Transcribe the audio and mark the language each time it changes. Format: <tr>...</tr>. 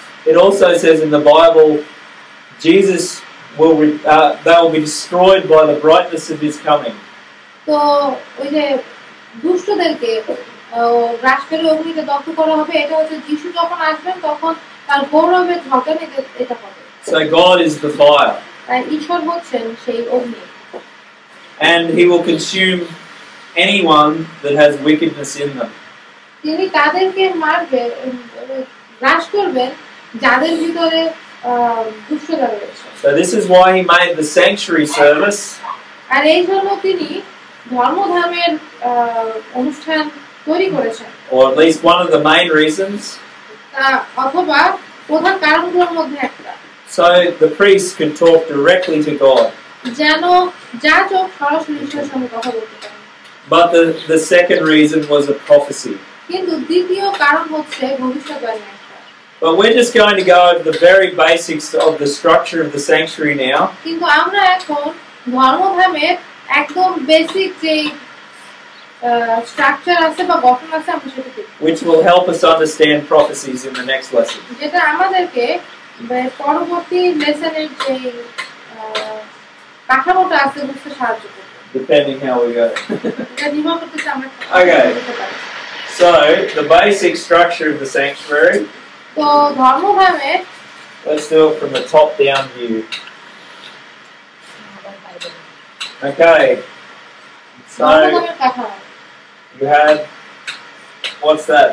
<en>It also says in the Bible Jesus will they'll be destroyed by the brightness of his coming.</en> <bn>তো ওই যে দুষ্টদেরকে ক্রাশকারী অগ্নিতে দগ্ধ করা হবে এটা হচ্ছে যিশু যখন আসবেন তখন তার গৌরবের ঝকানি এটা হবে.</bn> <en>So God is the fire.</en> <bn>ঈশ্বর হচ্ছেন সেই অগ্নি.</bn> <en>And he will consume anyone that has wickedness in them.</en> <bn>তিনি তাদেরকে মারবে, নাশ করবেন যাদের ভিতরে দুষ্টতা রয়েছে.</bn> <en>So this is why he made the sanctuary service.</en> <bn>আর এই জন্য তিনি ধর্মধামের অনুষ্ঠান তৈরি করেছেন.</bn> <en>Or at least one of the main reasons.</en> <bn>অথবা প্রধান কারণগুলোর মধ্যে একটা.</bn> <en>So the priest could talk directly to God.</en> <bn>জানো যাজক সরাসরি ঈশ্বরের সঙ্গে কথা বলতে পারে.</bn> <en>But the second reason was a prophecy.</en> <bn>কিন্তু দ্বিতীয় কারণ হচ্ছে ভবিষ্যদ্বাণী.</bn> <en>But we're just going to go over the very basics of the structure of the sanctuary now.</en> <bn>কিন্তু আমরা এখন ধর্মধামের একদম বেসিক যে স্ট্রাকচার আছে বা গঠন আছে আমরা সেটা দেখব.</bn> <en>Which will help us understand prophecies in the next lesson.</en> <bn>যেটা আমাদেরকে পরবর্তী লেসনের যে কাঠামোটা আছে বুঝতে সাহায্য করবে.</bn> <en>Depending how we go. Okay. So, the basic structure of the sanctuary. So,</en> <bn>ধর্মভাবে.</bn> <en>Let's do it from the top down view. Okay. So, you had, what's that?</en>